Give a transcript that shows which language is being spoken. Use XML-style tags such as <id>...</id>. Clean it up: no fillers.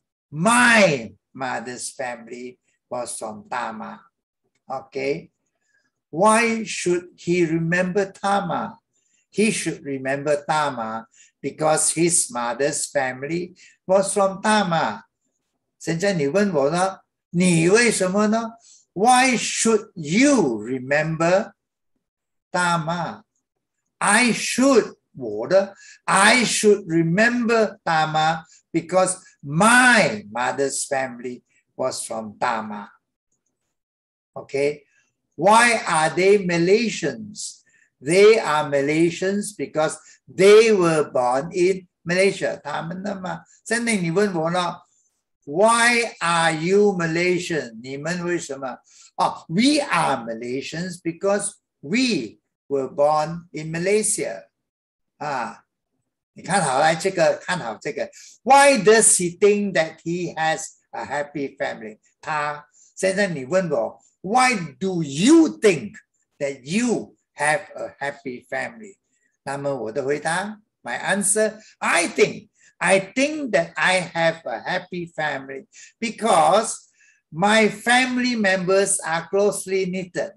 <en>My mother's family was from Tama. Okay. Why should he remember Tama? He should remember Tama because his mother's family was from Tama.</en> <zh>现在你问我呢,你为什么呢?</zh> <en>Why should you remember Tama? I should,</en> <zh>我的,</zh> <en>I should remember Tama because my mother's family was from Tama. Okay, why are they Malaysians? They are Malaysians because they were born in Malaysia.</en> <zh>他们的吗?现在你问我呢?</zh> <en>Why are you Malaysian?</en> <zh>你们为什么?</zh> <en>Oh, we are Malaysians because we were born in Malaysia.</en> <zh>你看好来这个,看好这个.</zh> <en>Why does he think that he has a happy family?</en> <zh>他, 现在你问我,</zh> <en>why do you think that you have a happy family?</en> <zh>那么我的回答,</zh> <en>my answer, I think that I have a happy family because my family members are closely knitted.</en>